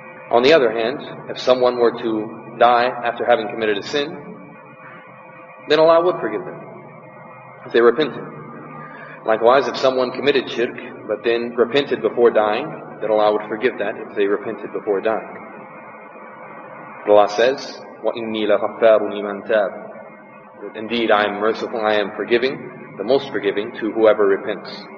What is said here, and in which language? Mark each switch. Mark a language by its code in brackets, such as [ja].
[en] On the other hand, if someone were to die after having committed a sin, then Allah would forgive them if they repented. Likewise, if someone committed shirk but then repented before dying, that Allah would forgive that if they repented before dying. Allah says, [ar] وَإِنِّي لَغَفَّارٌ لِمَنْ تَابَ. [en] Indeed, I am merciful, I am forgiving, the most forgiving, to whoever repents.